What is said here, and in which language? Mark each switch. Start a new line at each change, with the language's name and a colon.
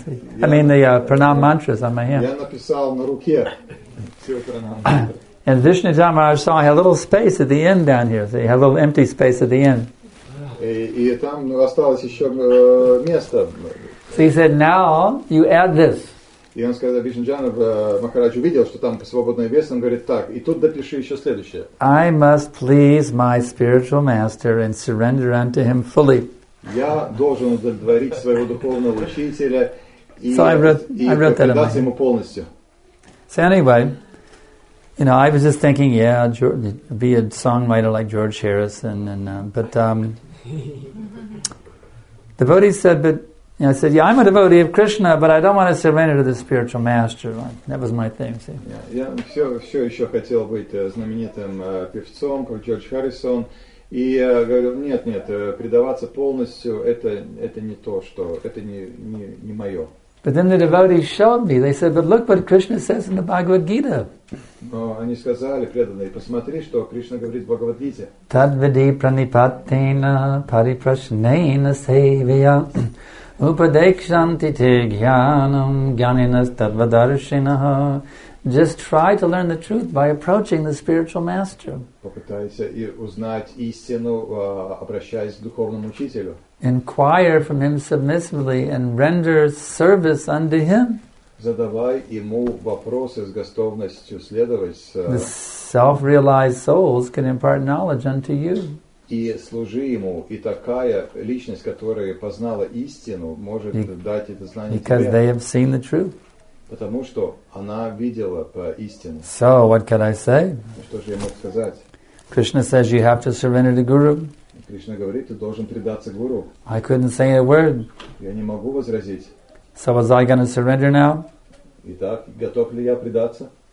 English: See, I mean the pranam mantras on my hand.
Russian: Я написал на руке все пранам.
English: And Vishnu Dharma, I saw I had a little space at the end down here. See, I had a little empty space at the end.
Russian: И там осталось еще место.
English: So he said, now you add this.
Russian: И он сказал, Вишнуджанов Махарадж увидел, что там свободное место, он говорит, так, и тут допиши еще следующее.
English: I must please my spiritual master and surrender unto him fully.
Russian: Я должен удовлетворить своего духовного учителя и предаться ему полностью.
English: So anyway, you know, I was just thinking, yeah, George, be a songwriter like George Harrison, and but the Bodhi said, but and I said, yeah, I'm a devotee of Krishna, but I don't want to surrender to the spiritual master. That was my thing, see.
Russian: Yeah, я все еще хотел быть знаменитым певцом, как Джордж Харрисон. И я говорю, нет, предаваться полностью, это не то, что, это не мое.
English: But then the devotees showed me. They said, but look what Krishna says in the Bhagavad Gita.
Russian: Но они сказали, преданные, посмотри, что Кришна говорит в Бхагавад-гите.
Sanskrit: Tadvidi pranipatena pariprasnena sevaya. Upadekshanti te jnanam jnaninas tadvadarshinaha.
English: Just try to learn the truth by approaching the spiritual master.
Russian: Попытайся узнать истину, обращаясь к духовному учителю.
English: Inquire from him submissively and render service unto him.
Russian: Задавай ему вопросы с готовностью следовать.
English: The self-realized souls can impart knowledge unto you.
Russian: И служи ему, и такая личность, которая познала истину, может дать это знание тебе.
English: Because they have seen the truth.
Russian: Потому что она видела по истине.
English: So, what can I say?
Russian: Что же я мог сказать?
English: Krishna says you have to surrender to Guru.
Russian: Кришна говорит, ты должен предаться Гуру.
English: I couldn't say a word.
Russian: Я не могу возразить.
English: So, was I going to surrender now?
Russian: Итак, готов ли я предаться?